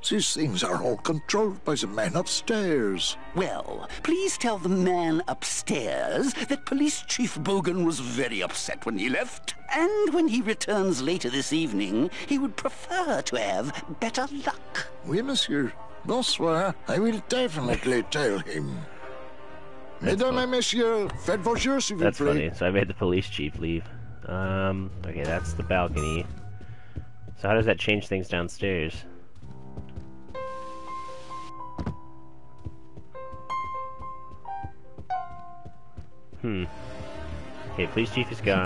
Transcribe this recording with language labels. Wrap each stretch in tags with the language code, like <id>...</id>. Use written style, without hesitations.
<en>These things are all controlled by the man upstairs. Well, please tell the man upstairs that Police Chief Bogan was very upset when he left. And when he returns later this evening, he would prefer to have better luck.</en> <fr>Oui, monsieur. Bonsoir.</fr> <en>I will definitely tell him.</en> <fr>Mesdames et messieurs, faites vos jeux, s'il vous plaît.</fr> <en>That's funny. So I made the police chief leave. Okay, that's the balcony. So how does that change things downstairs? Okay, police chief is gone.</en>